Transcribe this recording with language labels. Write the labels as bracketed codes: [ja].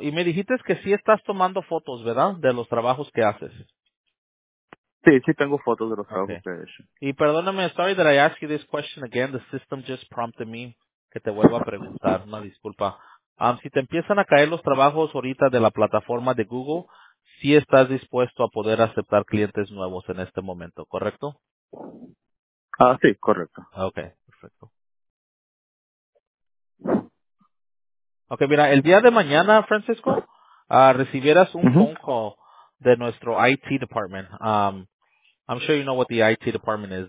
[es] Y me dijiste que sí estás tomando fotos, ¿verdad? De los trabajos que haces. Sí, sí tengo fotos de los trabajos que haces. Y perdóname, [en] sorry that I ask you this question again. The system just prompted me [es] que te vuelva a preguntar. Una disculpa. Si te empiezan a caer los trabajos ahorita de la plataforma de Google, sí estás dispuesto a poder aceptar clientes nuevos en este momento, ¿correcto? Ah, sí, correcto. Okay, perfecto. Okay, mira, el día de mañana, Francisco, recibieras un phone call de nuestro IT department. [en] I'm sure you know what the IT department is.